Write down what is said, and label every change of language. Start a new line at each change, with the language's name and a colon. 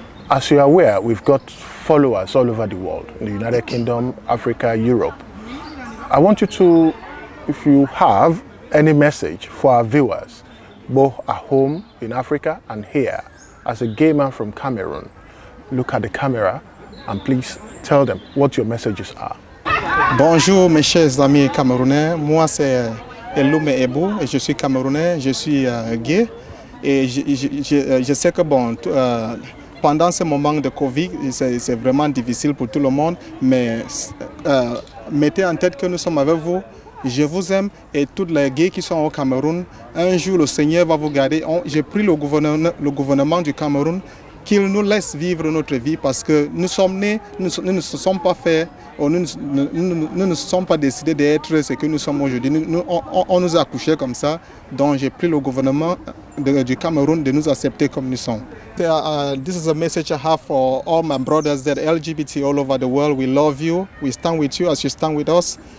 English: As you're aware, we've got followers all over the world, in the United Kingdom, Africa, Europe. I want you to, if you have any message for our viewers, both at home in Africa and here, as a gay man from Cameroon, look at the camera and please tell them what your messages are.
French: Bonjour mes chers amis Camerounais, moi c'est Elume Ebou et je suis Camerounais, je suis gay et je sais que bon, pendant ce moment de Covid, c'est vraiment difficile pour tout le monde, mais mettez en tête que nous sommes avec vous, je vous aime et tous les gays qui sont au Cameroun, un jour le Seigneur va vous garder. J'ai pris le gouvernement du Cameroun qu'il nous laisse vivre notre vie parce que nous sommes nés, nous ne nous sommes pas faits. Nous ne sommes pas décidés d'être ce que nous sommes aujourd'hui. On nous a accouchés comme ça. Donc j'ai pris le gouvernement du Cameroun de nous accepter comme nous sommes.
English: This is a message I have for all my brothers that LGBT all over the world. We love you. We stand with you as you stand with us.